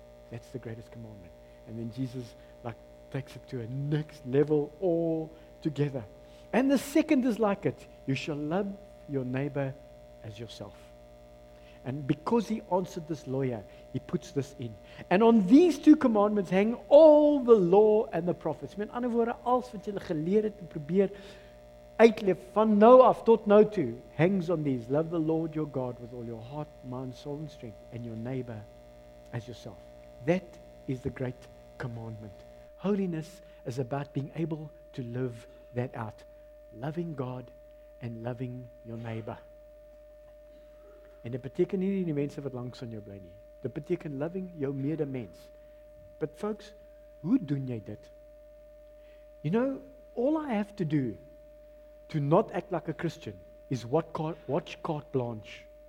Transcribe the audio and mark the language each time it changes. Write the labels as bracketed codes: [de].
[en] That's the greatest commandment. And then Jesus like takes it to a next level all together. And the second is like it. You shall love your neighbor as yourself. And because he answered this lawyer, he puts this in. And on these two commandments hang all the law and the prophets. [af] Met ander woorde, alles wat julle geleer het en probeer uitleef van nou af tot nou toe, [en] hangs on these. Love the Lord your God with all your heart, mind, soul and strength, and your neighbor as yourself. That is the great commandment. Holiness is about being able to live that out. Loving God and loving your neighbor. [af] En dit beteken nie die mense wat langs aan jou bly nie. Dit beteken loving jou medemens. [en] But folks, [af] hoe doen jy dit? [en] You know, all I have to do to not act like a Christian is watch carte blanche.